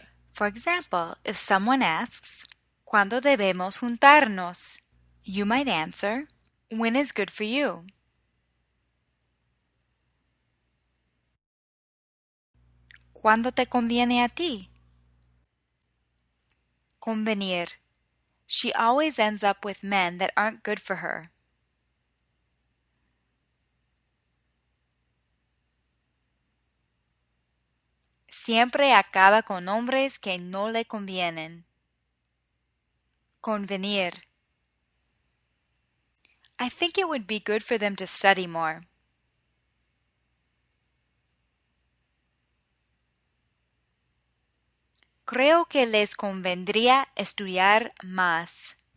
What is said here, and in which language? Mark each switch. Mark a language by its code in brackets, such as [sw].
[en] For example, if someone asks, [es] ¿Cuándo debemos juntarnos? [en] You might answer, when is good for you? [es] ¿Cuándo te conviene a ti? [en] Convenir. She always ends up with men that aren't good for her. [es] Siempre acaba con hombres que no le convienen. Convenir. [en] I think it would be good for them to study more. [es] Creo que les convendría estudiar más.